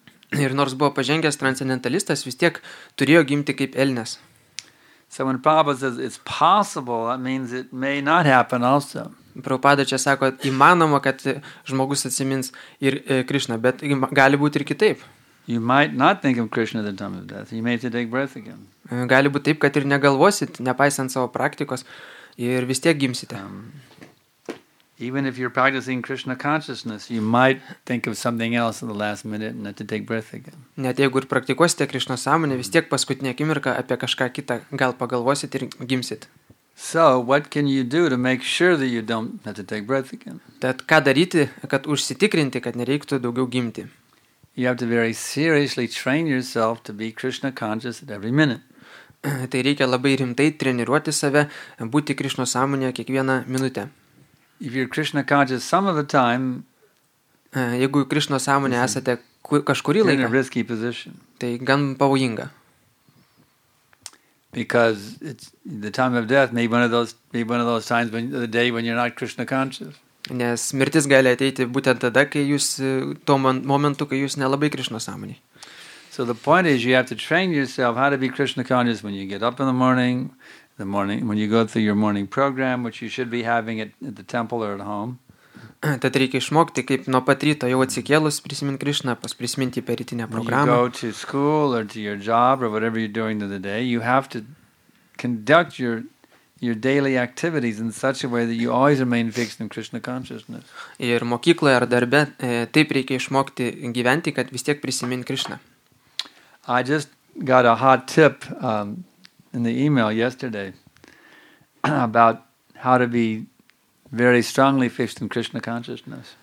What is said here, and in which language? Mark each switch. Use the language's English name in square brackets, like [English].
[Lithuanian] Ir nors buvo pažengęs transcendentalistas, vis tiek turėjo gimti kaip elnės. [English] So when Prabhupada says it's possible, that means it may not happen also. [Lithuanian] Prabhupada čia sako, įmanoma, kad žmogus atsimins ir Krišną, bet gali būti ir kitaip. [English] You might not think of Krishna at the time of death. You may have to take breath again. [Lithuanian] Gali būti taip, kad ir negalvosit, nepaisant savo praktikos, ir vis tiek gimsite. [English] Even if you're practicing Krishna consciousness, you might think of something else at the last minute and have to take breath again. [Lithuanian] Net jeigu ir praktikuosite Krišno sąmonę, vis tiek paskutinė akimirka apie kažką kitą gal pagalvosit ir gimsit. [English] So, what can you do to make sure that you don't have to take breath again? [Lithuanian] Tad ką daryti, kad užsitikrinti, kad nereiktų daugiau gimti? [English] You have to very seriously train yourself to be Krishna conscious at every minute. [Lithuanian] Tai reikia labai rimtai treniruoti save, būti Krišno sąmonėje kiekvieną minutę. [English] If you're Krishna conscious some of the time, [Lithuanian] jeigu Krišno sąmonė esate kažkurį laiką, [English] in a risky position. [Lithuanian] Tai gan pavojinga. [English] Because it's the time of death, maybe one of those times when the day when you're not Krishna conscious. [Lithuanian] Nes mirtis gali ateiti būtent tada, kai jūs tuo momentu, kai jūs nelabai Krishna sąmonė. [English] So the point is you have to train yourself how to be Krishna conscious when you get up in the morning, when you go through your morning program, which you should be having at the temple or at home. [Lithuanian] Tad reikia išmokti, kaip nuo pat ryto jau atsikėlus prisiminti Krishna, prisiminti per rytinę programą. [English] When you go to school or to your job or whatever you're doing in the day, you have to conduct your daily activities in such a way that you always remain fixed in Krishna consciousness. [Lithuanian] Ir mokykloje ar darbe taip reikia išmokti gyventi, kad vis tiek prisimint Krishna. [English] I just got a hot tip in the email yesterday about how to be very strongly fixed in Krishna consciousness.